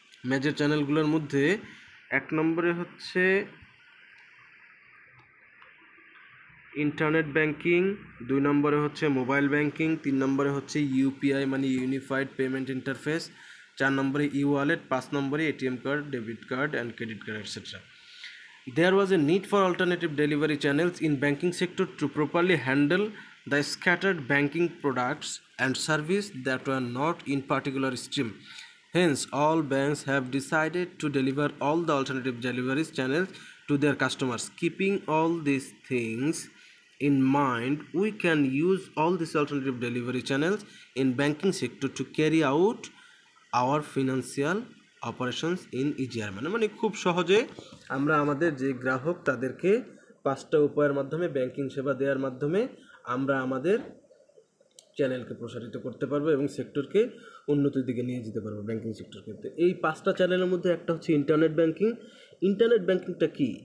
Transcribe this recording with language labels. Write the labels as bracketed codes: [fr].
[bn] Major চ্যানেলগুলোর মধ্যে এক নম্বরে হচ্ছে ইন্টারনেট ব্যাংকিং, দুই নম্বরে হচ্ছে মোবাইল ব্যাংকিং, তিন নম্বরে হচ্ছে ইউপিআই মানে ইউনিফাইড পেমেন্ট ইন্টারফেস, চার নম্বরে ই ওয়ালেট, পাঁচ নম্বরে ATM card, debit card and credit card etcetera. [en] There was a need for alternative delivery channels in banking sector to properly handle the scattered banking products and service that were not in particular stream. Hence, all banks have decided to deliver all the alternative delivery channels to their customers. Keeping all these things in mind, we can use all these alternative delivery channels in banking sector to carry out our financial operations in easier manner. [bn] মানে খুব সহজে আমরা আমাদের যে গ্রাহক তাদেরকে পাঁচটা উপায়ের মাধ্যমে ব্যাংকিং সেবা দেওয়ার মাধ্যমে আমরা আমাদের চ্যানেলকে প্রসারিত করতে পারবো এবং সেক্টরকে উন্নতির দিকে নিয়ে যেতে পারবো ব্যাংকিং সেক্টরকে। তো এই পাঁচটা চ্যানেলের মধ্যে একটা হচ্ছে ইন্টারনেট ব্যাংকিং। ইন্টারনেট ব্যাংকিংটা কী?